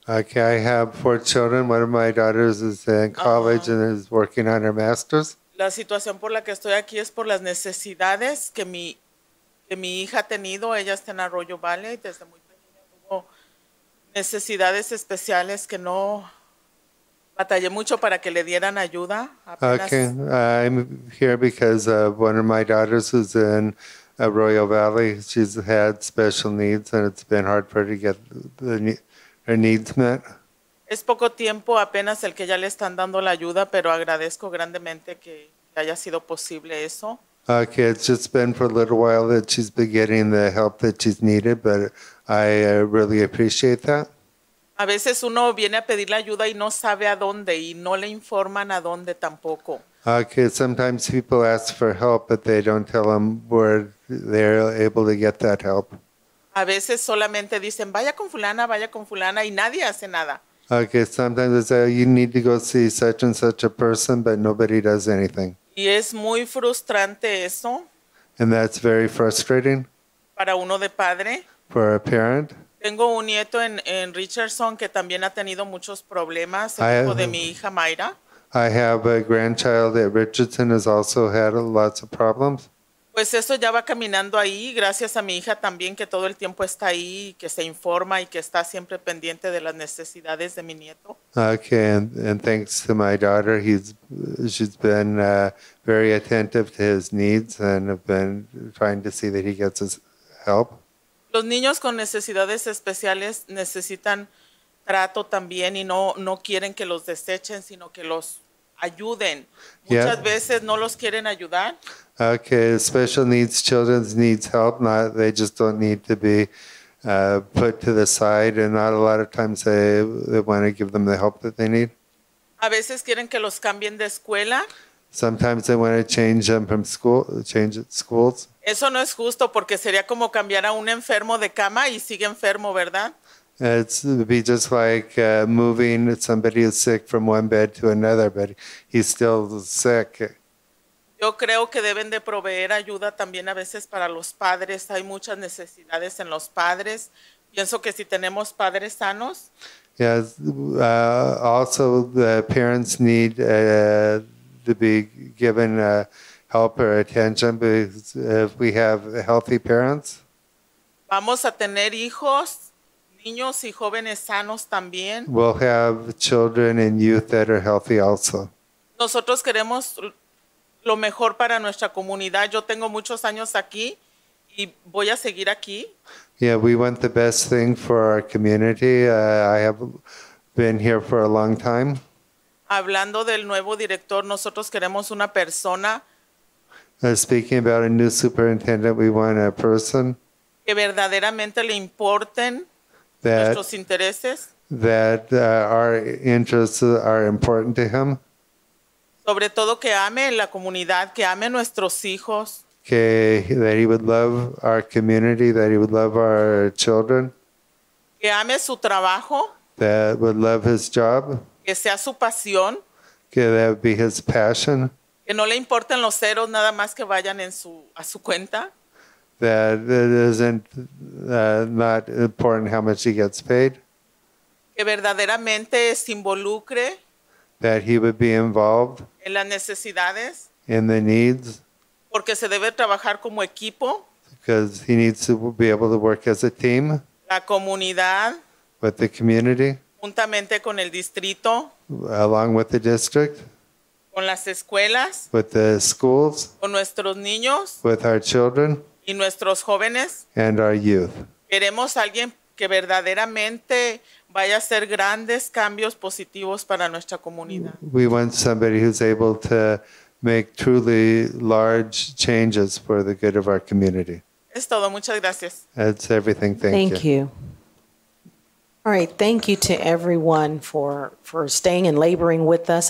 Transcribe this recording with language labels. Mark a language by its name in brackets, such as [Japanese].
[English] Okay, I have four children. One of my daughters is in college and is working on her master's. [Spanish] La situación por la que estoy aquí es por las necesidades que mi hija ha tenido. Ella está en Arroyo Valley. Desde muy pequeña tuvo necesidades especiales que no... Batallé mucho para que le dieran ayuda. [English] Okay, I'm here because one of my daughters is in Arroyo Valley. She's had special needs, and it's been hard for her to get her needs met. [Spanish] Es poco tiempo apenas el que ya le están dando la ayuda, pero agradezco grandemente que haya sido posible eso. [English] Okay, it's just been for a little while that she's been getting the help that she's needed, but I really appreciate that. [Spanish] A veces uno viene a pedir la ayuda y no sabe a dónde y no le informan a dónde tampoco. [English] Okay, sometimes people ask for help, but they don't tell them where they're able to get that help. [Spanish] A veces solamente dicen, vaya con fulana, y nadie hace nada. [English] Okay, sometimes they say, you need to go see such and such a person, but nobody does anything. [Spanish] Y es muy frustrante eso. [English] And that's very frustrating. [Spanish] Para uno de padre. [English] For a parent. [Spanish] Tengo un nieto en Richardson que también ha tenido muchos problemas, el hijo de mi hija Mayra. [English] I have a grandchild at Richardson has also had lots of problems. [Spanish] Pues eso ya va caminando ahí, gracias a mi hija también que todo el tiempo está ahí, que se informa y que está siempre pendiente de las necesidades de mi nieto. [English] Okay, and thanks to my daughter, she's been very attentive to his needs and have been trying to see that he gets his help. [Spanish] Los niños con necesidades especiales necesitan trato también y no quieren que los desechen, sino que los ayuden. Muchas veces no los quieren ayudar. [English] Okay, special needs children need help. They just don't need to be put to the side, and not a lot of times they want to give them the help that they need. [Spanish] A veces quieren que los cambien de escuela. [English] Sometimes they want to change them from school, change at schools. [Spanish] Eso no es justo porque sería como cambiar a un enfermo de cama y sigue enfermo, ¿verdad? [English] It's, it'd be just like moving somebody who's sick from one bed to another, but he's still sick. [Spanish] Yo creo que deben de proveer ayuda también a veces para los padres. Hay muchas necesidades en los padres. Pienso que si tenemos padres sanos. [English] Yes, also the parents need to be given help or attention, because if we have healthy parents, [Spanish] vamos a tener hijos, niños y jóvenes sanos también. [English] We'll have children and youth that are healthy also. [Spanish] Nosotros queremos lo mejor para nuestra comunidad. Yo tengo muchos años aquí y voy a seguir aquí. [English] Yeah, we want the best thing for our community. I have been here for a long time. [Spanish] Hablando del nuevo director, nosotros queremos una persona. [English] Speaking about a new superintendent, we want a person [Spanish] que verdaderamente le importen nuestros intereses. [English] That our interests are important to him. [Spanish] Sobre todo que ame la comunidad, que ame nuestros hijos. [English] Que, that he would love our community, that he would love our children. [Spanish] Que ame su trabajo. [English] That would love his job. [Spanish] Que sea su pasión. [English] Que that would be his passion. [Spanish] Que no le importen los ceros, nada más que vayan en su, a su cuenta. [English] That it isn't not important how much he gets paid. [Spanish] Que verdaderamente se involucre. [English] That he would be involved. [Spanish] En las necesidades. [English] In the needs. [Spanish] Porque se debe trabajar como equipo. [English] Because he needs to be able to work as a team. [Spanish] La comunidad. [English] With the community. [Spanish] Juntamente con el distrito. [English] Along with the district. [Spanish] Con las escuelas. [English] With the schools. [Spanish] Con nuestros niños. [English] With our children. [Spanish] Y nuestros jóvenes. [English] And our youth. [Spanish] Queremos alguien que verdaderamente vaya a hacer grandes cambios positivos para nuestra comunidad. [English] We want somebody who's able to make truly large changes for the good of our community. [Spanish] Es todo. Muchas gracias. [English] That's everything. Thank you. Thank you. All right. Thank you to everyone for staying and laboring with us.